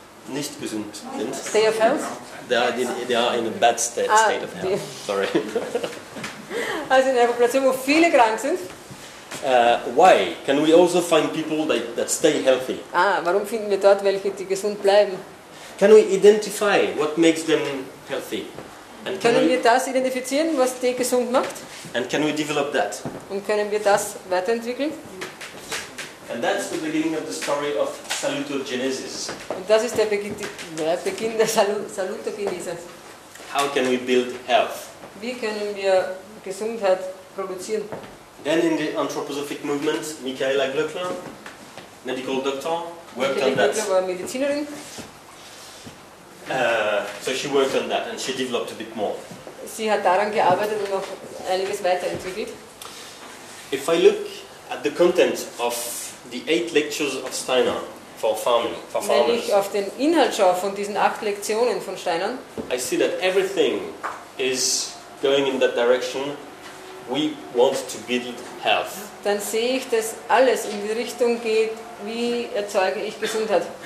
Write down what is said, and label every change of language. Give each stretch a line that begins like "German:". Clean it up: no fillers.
German: nicht gesund sind.
English: State of health. They are in a bad state of health. Sorry.
German: Also in einer Population, wo viele krank sind.
English: Why? Can we also find people that stay healthy?
German: Warum finden wir dort welche, die gesund bleiben?
English: Can we identify what makes them healthy? And
German: können wir das identifizieren, was die gesund macht?
English: And can we develop that?
German: Und können wir das weiterentwickeln?
English: And that's the beginning of the story of salutogenesis.
German: Und das ist der Beginn der Salutogenese.
English: how can we build health?
German: Wie können wir Gesundheit produzieren?
English: Then in the anthroposophic movement, Michaela Glöckler, medical doctor, worked on that.
German: Michaela Glöckler war Medizinerin.
English: So she worked on that and she developed a bit more.
German: Sie hat daran gearbeitet und noch einiges weiterentwickelt.
English: If I look at the content of the 8 lectures of Steiner for farming, for farmers,
German: wenn ich auf den Inhalt schaue von diesen 8 Lektionen von Steiner,
English: I see that everything is going in that direction. We want to build health.
German: Dann sehe ich, dass alles in die Richtung geht, wie erzeuge ich Gesundheit.